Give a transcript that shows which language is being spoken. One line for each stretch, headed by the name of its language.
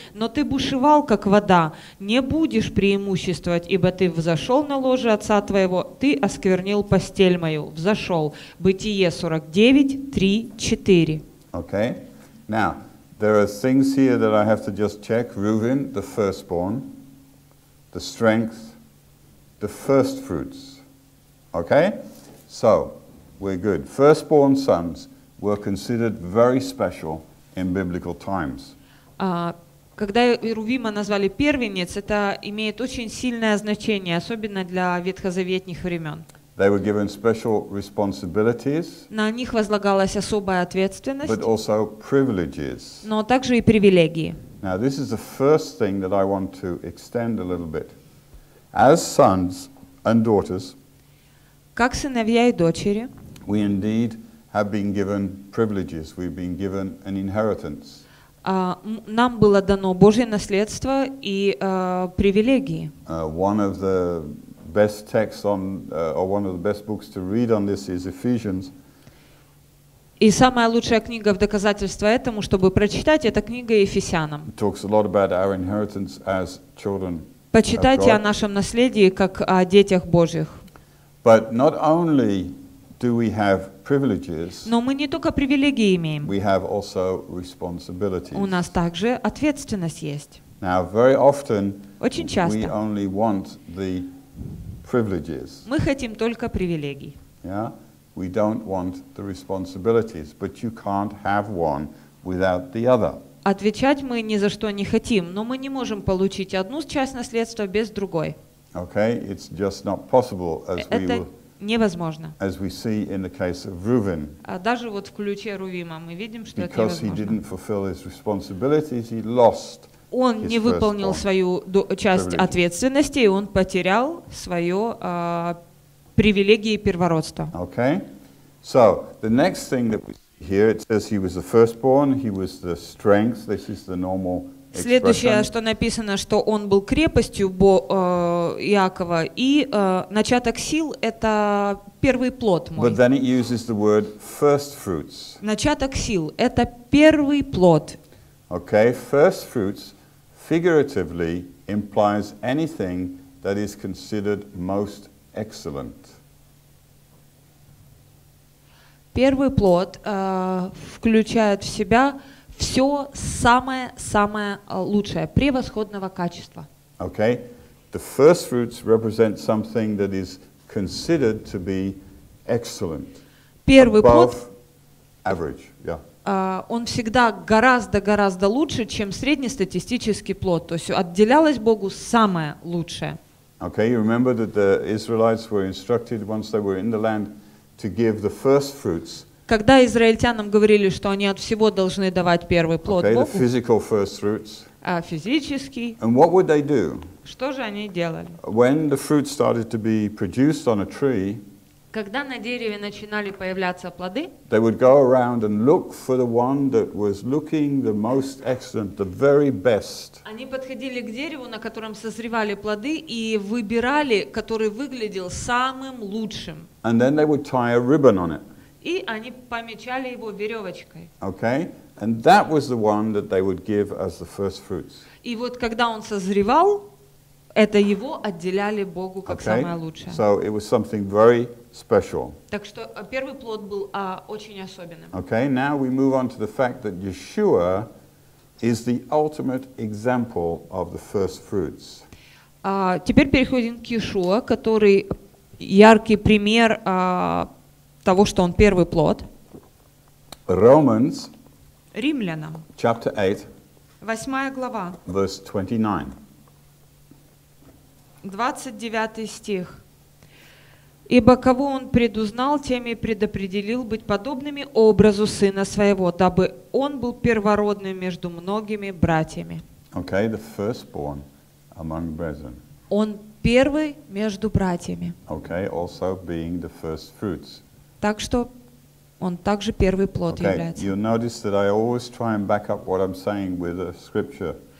Russian: Но ты бушевал, как вода, не будешь преимуществовать, ибо ты взошел на ложе отца твоего, ты осквернил постель мою, взошел. Бытие 49, 3, 4.
English: Okay. Now, there are things here that I have to just check. Рувим, the firstborn, the strength, the first fruits. Okay? So, we're good. Firstborn sons were considered very special in biblical times.
Russian: Когда Рувима назвали первенец, это имеет очень сильное значение, особенно для ветхозаветных времен.
English: They were given special responsibilities.
Russian: На них возлагалась особая ответственность.
English: But also privileges.
Russian: Но также и привилегии.
English: Now, this is the first thing that I want to extend a little bit. As sons and daughters,
Russian: как сыновья и дочери,
English: we indeed have been given privileges, we've been given an inheritance.
Russian: Нам было дано Божье наследство и привилегии.
English: One of the best texts on, or one of the best books to read on this is Ephesians.
Russian: И самая лучшая книга в доказательство этому, чтобы прочитать, это книга Ефесянам.
English: It talks a lot about our inheritance as children.
Russian: Почитайте о нашем наследии, как о детях Божьих.
English: But not only do we have privileges,
Russian: но мы не только привилегии имеем.
English: We have also responsibilities.
Russian: У нас также ответственность есть.
English: Now, very often,
Russian: очень часто
English: we only want the privileges.
Russian: Мы хотим только привилегий.
English: Yeah? We don't want the responsibilities, but you can't have one without the other.
Russian: Отвечать мы ни за что не хотим, но мы не можем получить одну часть наследства без другой.
English: Okay, it's just not possible, as
Russian: это
English: we will,
Russian: невозможно.
English: As we see in the case of Reuven.
Russian: А даже вот в ключе Рувима мы видим, что
English: because
Russian: это невозможно.
English: He didn't fulfill his responsibilities, he lost his firstborn.
Russian: Он не выполнил свою часть ответственности, и он потерял свое привилегии первородства.
English: Okay. So, the next thing that we here it says he was the firstborn, he was the strength. This is the normal expression.
Russian: Следующее, что написано, что он был крепостью Иакова и начаток сил — это первый плод мой.
English: But then it uses the word first fruits.
Russian: Начаток сил — это первый плод.
English: Okay, first fruits figuratively implies anything that is considered most excellent.
Russian: Первый плод включает в себя все самое-самое лучшее, превосходного качества.
English: Okay. The first fruits represent something that is considered to be excellent.
Russian: Первый
English: above
Russian: плод,
English: average. Yeah.
Russian: Он всегда гораздо-гораздо лучше, чем среднестатистический плод. То есть отделялось Богу самое лучшее.
English: Okay, you remember that the Israelites were instructed once they were in the land to give the first fruits.
Russian: Когда израильтянам говорили, что они от всего должны давать первый плод
English: okay,
Russian: Богу.
English: The physical first fruits.
Russian: А физический.
English: And what would they do?
Russian: Что же они делали?
English: When the fruit started to be produced on a tree.
Russian: Когда на дереве начинали появляться плоды.
English: They would go around and look for the one that was looking the most excellent, the very best.
Russian: Они подходили к дереву, на котором созревали плоды, и выбирали, который выглядел самым лучшим.
English: And then they would tie a ribbon on it.
Russian: И они помечали его веревочкой.
English: Okay, and that was the one that they would give as the first fruits.
Russian: И вот когда он созревал, это его отделяли Богу как
English: okay.
Russian: самое лучшее.
English: So it was something very special.
Russian: Так что первый плод был очень особенным.
English: Okay, now we move on to the fact that Yeshua is the ultimate example of the first fruits.
Russian: Теперь переходим к Иешуа, который яркий пример того, что он первый плод.
English: Romans,
Russian: Римлянам,
English: chapter 8,
Russian: 8 глава,
English: verse 29.
Russian: 29 стих. «Ибо кого он предузнал, тем и предопределил быть подобными образу сына своего, дабы он был первородным между многими братьями».
English: Okay, the firstborn among brethren.
Russian: Он первый между братьями.
English: Okay, also being the first fruits.
Russian: Так что он также первый плод
English: okay,
Russian: является.
English: You'll notice that I always try and back up what I'm saying with a scripture.